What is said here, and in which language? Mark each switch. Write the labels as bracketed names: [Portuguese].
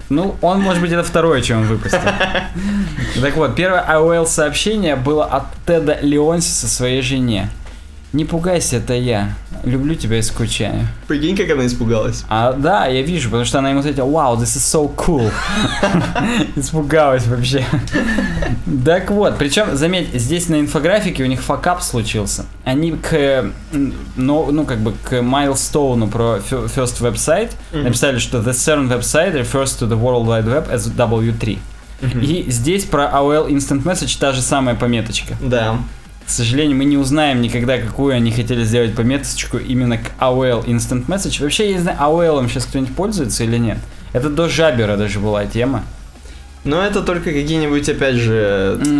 [Russian] Ну, он, может быть, это второе, что он выпустил. Так вот, первое AOL-сообщение было от Теда Леонси со своей жене. Не пугайся, это я. Люблю тебя и скучаю. Прикинь, как она испугалась. А, да, я вижу, потому что она ему ответила, вау, [English] this is so cool. [Russian] Испугалась вообще. Так вот, причем, заметь, здесь на инфографике у них факап случился. Они к, ну, как бы, к майлстоуну про first website написали, что [English] the CERN website refers to the World Wide Web as W3. [Russian] И здесь про AOL Instant Message та же самая пометочка. Да. К сожалению, мы не узнаем никогда, какую они хотели сделать пометочку именно к AOL Instant Message. Вообще, я не знаю, AOL-ом сейчас кто-нибудь пользуется или нет. Это до Жабера даже была тема. Но это только какие-нибудь, опять же...